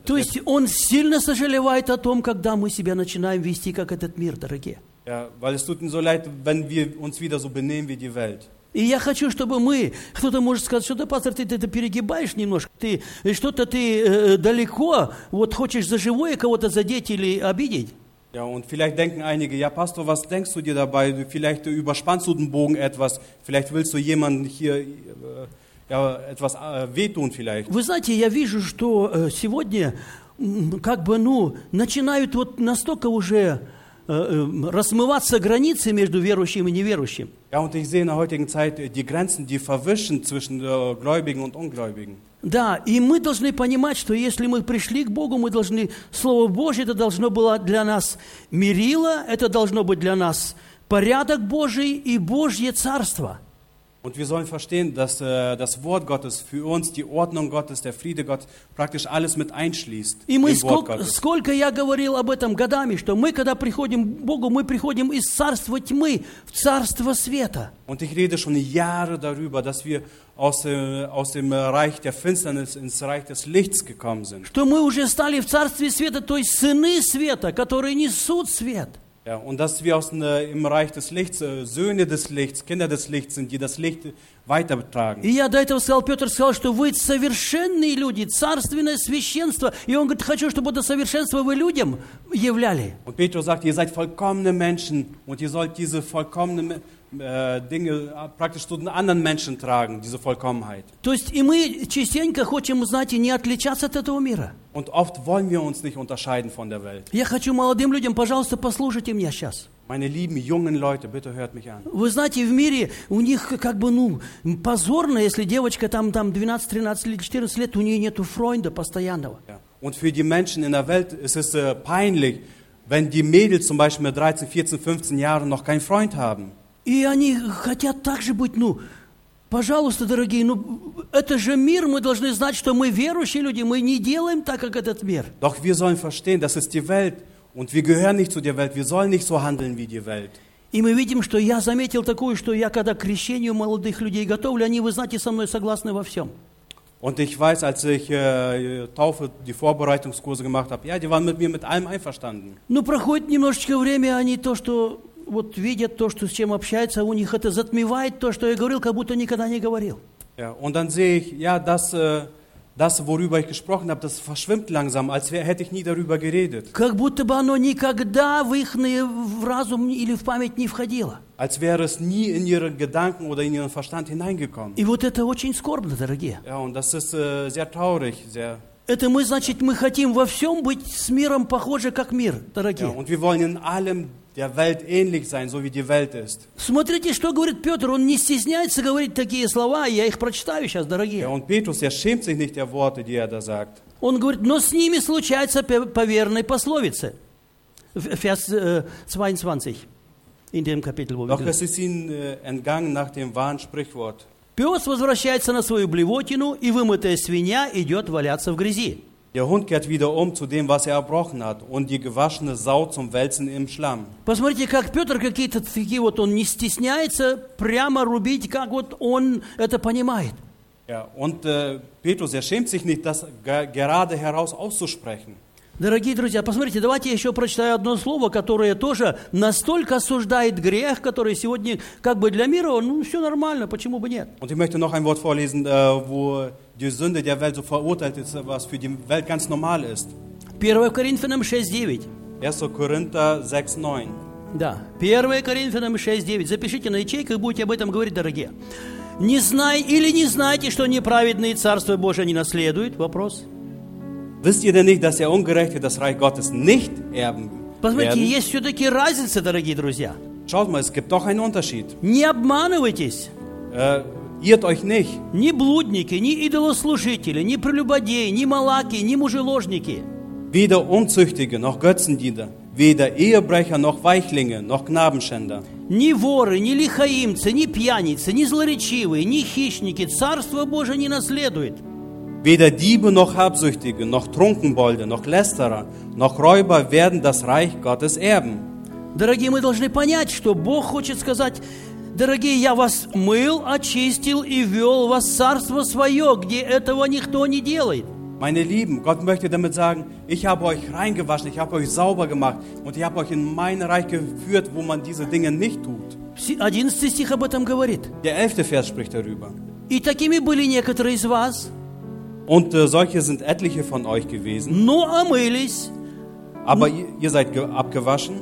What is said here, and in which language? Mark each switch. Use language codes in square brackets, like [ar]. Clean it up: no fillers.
[ru] То есть он сильно сожалевает о том, когда мы себя начинаем вести как этот мир, дорогие. [de] Ja, weil es tut ihm so leid, wenn wir uns wieder so benehmen wie die Welt. [ru] И я хочу, чтобы мы, кто-то может сказать, что-то, пастор, ты это перегибаешь немножко, ты что-то ты далеко, вот хочешь за живое кого-то задеть или обидеть. [de] Ja, und vielleicht denken einige, ja, Pastor, was denkst du dir dabei? Du, vielleicht überspannst du den Bogen etwas, vielleicht willst du jemanden hier ja, etwas wehtun vielleicht. [ru] Вы знаете, я вижу, что сегодня как бы, ну, начинают вот настолько уже расмываться границы между верующим и неверующим. [de] Ja, und ich sehe in der heutigen Zeit die Grenzen, die verwischen zwischen Gläubigen und Ungläubigen. [ru] Да, и мы должны понимать, что если мы пришли к Богу, мы должны, Слово Божье, это должно было для нас мерило, это должно быть для нас порядок Божий и Божье Царство. [de] Und wir sollen verstehen, dass das Wort Gottes für uns, die Ordnung Gottes, der Friede Gottes, praktisch alles mit einschließt im Wort Gottes. [ru] Сколько я говорил об этом годами, что мы, когда приходим к Богу, мы приходим из царства тьмы в царство света. [de] Und ich rede schon Jahre darüber, dass wir aus dem Reich der Finsternis ins Reich des Lichts gekommen sind. [ru] Что мы уже стали в царстве света, то есть сыны света, которые несут свет. [de] Ja, und dass wir aus im Reich des Lichts, Söhne des Lichts, Kinder des Lichts sind, die das Licht weitertragen. [ru] И я до этого сказал, Петр сказал, что вы совершенные люди, царственное священство. И он говорит, хочу, чтобы это совершенство вы людям являли. [de] Und Petrus sagt, ihr seid vollkommene Menschen und ihr sollt diese vollkommenen Dinge praktisch zu den anderen Menschen tragen, diese Vollkommenheit. [ru] То есть и мы частенько хотим, знаете, не отличаться от этого мира. [de] Und oft wollen wir uns nicht unterscheiden von der Welt. [ru] Я хочу молодым людям, пожалуйста, послушайте меня сейчас. [de] Meine lieben jungen Leute, bitte hört mich an. [ru] Вы знаете, в мире у них как бы, ну, позорно, если девочка там 12, 13 или 14 лет, у нее нету Freunde постоянного. [de] Ja. Und für die Menschen in der Welt ist es peinlich, wenn die Mädels zum Beispiel mit 13, 14, 15 Jahren noch keinen Freund haben. [ru] И они хотят так же быть, ну, пожалуйста, дорогие, ну, это же мир, мы должны знать, что мы верующие люди, мы не делаем так, как этот мир. [de] Doch wir sollen verstehen, das ist die Welt, und wir gehören nicht zu der Welt, wir sollen nicht so handeln wie die Welt. [ru] И мы видим, что я заметил такое, что я, когда к крещению молодых людей готовлю, они, вы знаете, со мной согласны во всем. [de] Und ich weiß, als ich Taufe, die Vorbereitungskurse gemacht habe, ja, die waren mit mir mit allem einverstanden. [ru] Ну, проходит немножечко время, они то, что... Вот видят то, что с чем общаются, у них это затмевает то, что я говорил, как будто никогда не говорил. [de] Ja, und dann sehe ich, ja, das, worüber ich gesprochen habe, das verschwimmt langsam, als hätte ich nie darüber geredet. [ru] Как будто бы оно никогда в их разум или в память не входило. [de] Als wäre es nie in ihre Gedanken oder in ihren Verstand hineingekommen. [ru] И вот это очень скорбно, дорогие. [de] Ja, und das ist sehr traurig, sehr. [ru] Это мы, значит, мы хотим во всем быть с миром похожи, как мир, дорогие. [de] Ja, und wir wollen in allem der Welt ähnlich sein, so wie die Welt ist. [ru] Смотрите, что говорит Петр, он не стесняется говорить такие слова, я их прочитаю сейчас, дорогие. [de] Ja, und Petrus, schämt sich nicht der Worte, die da sagt. [ru] Он говорит, но с ними случается по верной пословице. [de] Vers 22, in dem Kapitel, wo wir Doch es ist ihnen entgangen nach dem wahren Sprichwort. [ru] Пес возвращается на свою блевотину, и вымытая свинья идет валяться в грязи. [de] Der Hund kehrt wieder zu dem, was erbrochen hat, und die gewaschene Sau zum Wälzen im Schlamm. [ru] Посмотрите, как Петр какие-то такие вот, он не стесняется прямо рубить, как вот он это понимает. [de] Ja, und Petrus, schämt sich nicht, das gerade heraus auszusprechen. [ru] Дорогие друзья, посмотрите, давайте я еще прочитаю одно слово, которое тоже настолько осуждает грех, который сегодня как бы для мира, ну все нормально, почему бы нет. [de] Und ich möchte noch ein Wort vorlesen, wo die Sünde der Welt so verurteilt ist, was für die Welt ganz normal ist. 1. Korinther 6,9. 1. Korinther 6,9. Да, 1. Korinther 6,9. [ru] Запишите на ячейках, будете об этом говорить, дорогие. Не знай, или не знайте, что неправедные Царство Божие не наследуют? Вопрос. [de] Wisst ihr denn nicht, dass der Ungerechte das Reich Gottes nicht erben werden? [ru] Посмотрите, есть все-таки разница, дорогие друзья. [de] Schaut mal, es gibt doch einen Unterschied. [ru] Не обманывайтесь. [de] Irrt euch nicht. [ru] Ни блудники, ни идолослужители, ни прелюбодеи, ни малаки, ни мужеложники. [de] Weder Unzüchtige, noch Götzendiener, weder Ehebrecher, noch Weichlinge, noch Knabenschänder. [ru] Ни воры, ни лихоимцы, ни пьяницы, ни злоречивые, ни хищники Царство Божие не наследует. [de] Weder Diebe noch Habsüchtige, noch Trunkenbolde, noch Lästerer, noch Räuber werden das Reich Gottes erben. [ru] Дорогие, мы должны понять, что Бог хочет сказать, Дорогие, я вас мыл, очистил и вел вас в царство свое, где этого никто не делает. [de] Meine Lieben, Gott möchte damit sagen, ich habe euch reingewaschen, ich habe euch sauber gemacht und ich habe euch in mein Reich geführt, wo man diese Dinge nicht tut. [ru] 11. Stich об этом говорит. [de] Der 11. Vers spricht darüber. [ru] И такими были некоторые из вас. [de] Und solche sind etliche von euch gewesen. [ru] Но омылись. [de] Aber ihr seid abgewaschen.